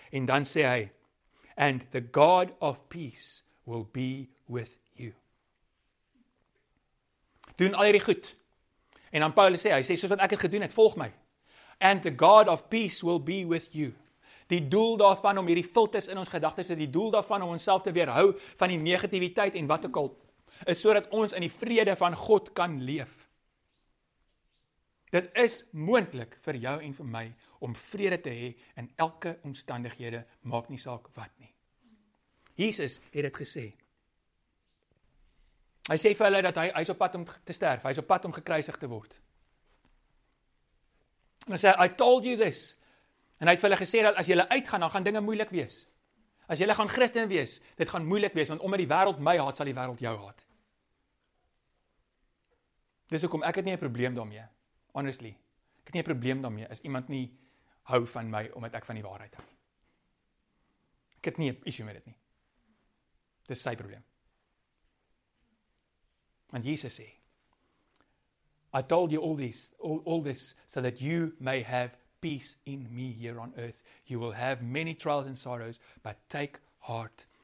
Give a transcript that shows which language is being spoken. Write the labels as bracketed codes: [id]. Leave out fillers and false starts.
[af] En dan sê hy, [en] and the God of peace will be with you. [af] Doen al hierdie goed. En dan Paulus sê, hy sê, soos wat ek het gedoen het, volg my. [en] And the God of peace will be with you. [af] Die doel daarvan om hierdie filters in ons gedagtes te, die doel daarvan om onsself te weerhou van die negativiteit en wat ook al, is sodat ons in die vrede van God kan leef. Dit is moontlik vir jou en vir my om vrede te hê in elke omstandighede, maak nie saak wat nie. Jesus het dit gesê. Hy sê vir hulle dat hy is op pad om te sterf, hy is op pad om gekruisig te word. En hy sê, [en] I told you this. [af] En hy het vir hulle gesê dat as jy uitgaan, dan gaan dinge moeilik wees. As jy gaan Christen wees, dit gaan moeilik wees, want omdat die wêreld my haat, sal die wêreld jou haat. Dis hoekom ek het nie 'n probleem daarmee. Honestly, ek het nie 'n probleem daarmee as iemand nie hou van my omdat ek van die waarheid hou. Ek het nie 'n issue met dit nie. Dis sy probleem. Want Jesus sê, [en] I told you all this so that you may have peace in me here on earth. You will have many trials and sorrows, but take heart.